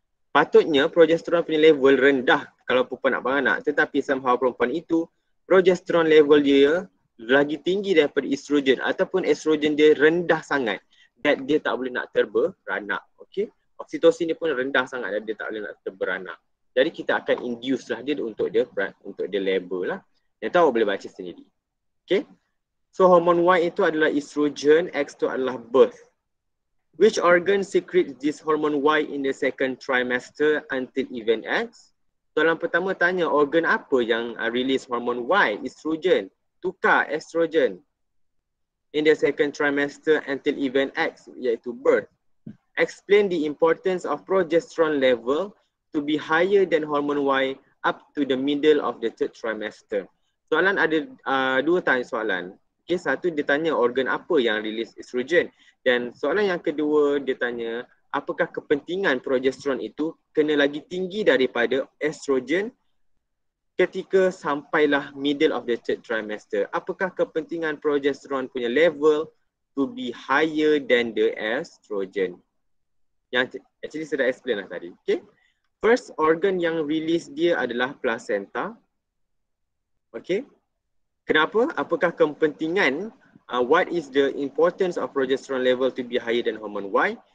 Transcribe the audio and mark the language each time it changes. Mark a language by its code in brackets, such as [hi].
[ms] Patutnya progesterone punya level rendah kalau perempuan nak beranak, tetapi somehow perempuan itu progesterone level dia lagi tinggi daripada estrogen ataupun estrogen dia rendah sangat that dia tak boleh nak terberanak. Okay, oksitosin dia pun rendah sangat dan dia tak boleh nak terberanak. Jadi kita akan induce lah dia untuk dia label lah. Yang tahu boleh baca sendiri. Okay, so hormon Y itu adalah estrogen, X itu adalah birth. [en] Which organ secretes this hormone Y in the second trimester until event X? [ms] Soalan pertama tanya organ apa yang release hormone Y? Estrogen. Tukar [en] estrogen in the second trimester until event X, [ms] iaitu [en] birth. Explain the importance of progesterone level to be higher than hormone Y up to the middle of the third trimester. [ms] Soalan ada dua tanya soalan. Okay, satu dia tanya organ apa yang release estrogen. Dan soalan yang kedua dia tanya apakah kepentingan progesteron itu kena lagi tinggi daripada estrogen ketika sampailah [en] middle of the third trimester. [ms] Apakah kepentingan progesteron punya level [en] to be higher than the estrogen? [ms] Yang actually saya dah explain lah tadi. Okay. First organ yang release dia adalah placenta. Okay. Kenapa? Apakah kepentingan? [en] What is the importance of progesterone level to be higher than hormone Y?